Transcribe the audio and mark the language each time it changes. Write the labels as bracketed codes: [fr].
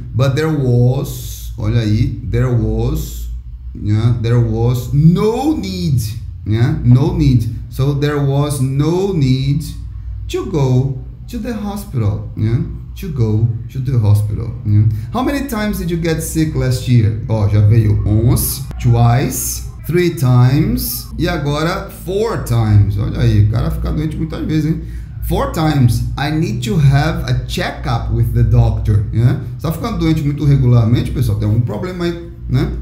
[en] But there was, [pt] olha aí, [en] there was no need. Yeah, no need. So there was no need to go to the hospital. Yeah, to go to the hospital. Yeah? How many times did you get sick last year? [pt] Oh, já veio 11, [en] twice. 3 times, [pt] e agora [en] 4 times, [pt] olha aí, o cara fica doente muitas vezes, hein? [en] 4 times, I need to have a checkup with the doctor, né? [pt] Você tá ficando doente muito regularmente, pessoal, tem algum problema aí, né?